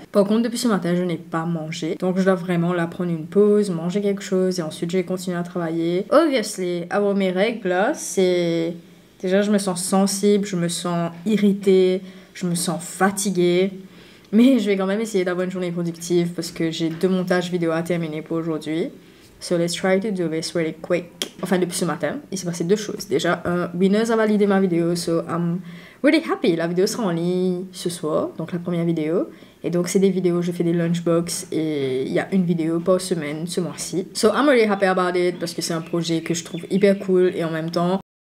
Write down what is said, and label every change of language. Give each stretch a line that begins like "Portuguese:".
French: Par contre, depuis ce matin, je n'ai pas mangé. Donc, je dois vraiment là prendre une pause, manger quelque chose, et ensuite, je vais continuer à travailler. Obviously, avoir mes règles, là, c'est... Déjà, je me sens sensible, je me sens irritée, je me sens fatiguée. Mais je vais quand même essayer d'avoir une journée productive, parce que j'ai deux montages vidéo à terminer pour aujourd'hui.
English: So let's try to do this really quick.
French: Enfin, depuis ce matin, il s'est passé deux choses. Déjà, Winners a validé ma vidéo,
English: so I'm really happy.
French: La vidéo sera en ligne ce soir, donc la première vidéo. Et donc, c'est des vidéos, je fais des lunchbox et il y a une vidéo par semaine ce mois-ci.
English: So I'm really happy about it
French: parce que c'est un projet que je trouve hyper cool et en même temps...